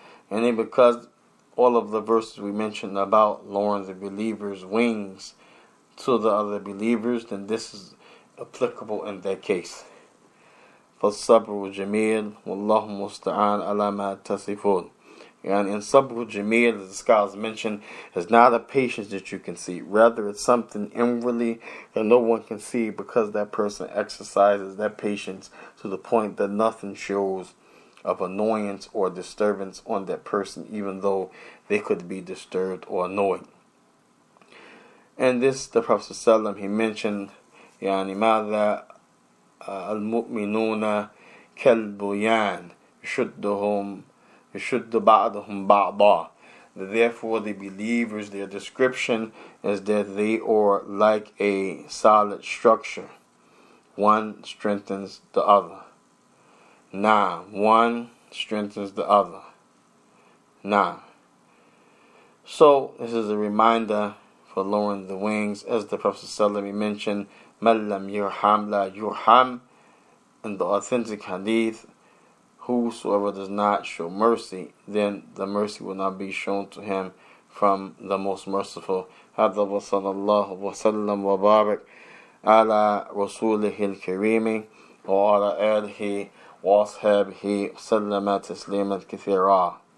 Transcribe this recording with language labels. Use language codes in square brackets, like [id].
[en] And then because all of the verses we mentioned about lowering the believers' wings to the other believers, then this is applicable in their case. [ar] فالصبر جميل واللهم مستعان على ما تصفون. [en] And in sabr jameel, as the scholars mentioned, is not a patience that you can see. Rather, it's something inwardly that no one can see because that person exercises that patience to the point that nothing shows of annoyance or disturbance on that person, even though they could be disturbed or annoyed. And this, the Prophet ﷺ, he mentioned, [ar] يعني ماذا المؤمنون كالبيان شدهم يشد بعضهم بعضا. [en] Therefore, the believers, their description is that they are like a solid structure. One strengthens the other. Nah, one strengthens the other. Nah. So, this is a reminder for lowering the wings. As the Prophet ﷺ mentioned, [ar] مَنْ لَمْ يُرْحَمْ لَا يُرْحَمْ. [en] In the authentic hadith, whosoever does not show mercy, then the mercy will not be shown to him from the Most Merciful. [ar] هَذَا وَصَلَى اللَّهُ وَسَلَّمْ وَبَارِكْ عَلَىٰ رَسُولِهِ الْكَرِيمِ وَعَلَىٰ أَلْهِ وَأَصْحَابِهِ سَلَّمَ تَسْلِيمًا كَثِيرًا.